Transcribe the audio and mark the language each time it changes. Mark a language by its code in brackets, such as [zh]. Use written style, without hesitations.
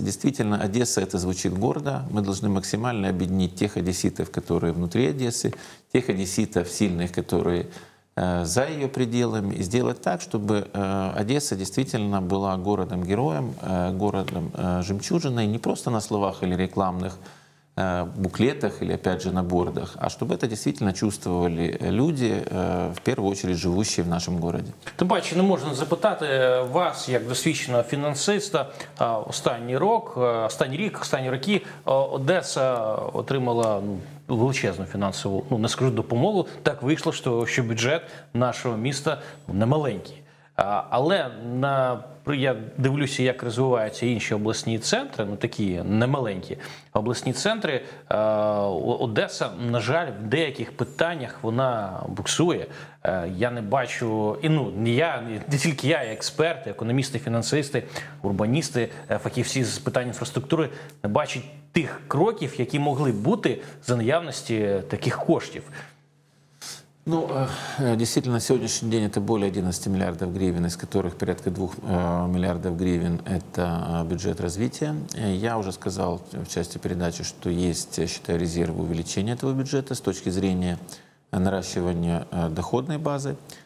[ru] Действительно, Одесса — это звучит гордо. Мы должны максимально объединить тех одесситов, которые внутри Одессы, тех одесситов сильных, которые за ее пределами, и сделать так, чтобы Одесса действительно была городом-героем, городом-жемчужиной, не просто на словах или рекламных буклетах или, опять же, на бордах, а чтобы это действительно чувствовали люди, в первую очередь, живущие в нашем городе. [uk] Тим паче, не можна запитати вас, як досвідченого фінансиста, останні роки Одеса отримала величезну фінансову, не скажу допомогу, так вийшло, що бюджет нашого міста не маленький. Але я дивлюся, як розвиваються інші обласні центри, такі немаленькі обласні центри, Одеса, на жаль, в деяких питаннях вона буксує. Я не бачу, не тільки я, експерти, економісти, фінансисти, урбаністи, фахівці з питань інфраструктури, не бачать тих кроків, які могли бути за наявності таких коштів. [ru] Ну, действительно, на сегодняшний день это более 11 миллиардов гривен, из которых порядка 2 миллиардов гривен – это бюджет развития. Я уже сказал в части передачи, что есть, считаю, резервы увеличения этого бюджета с точки зрения наращивания доходной базы.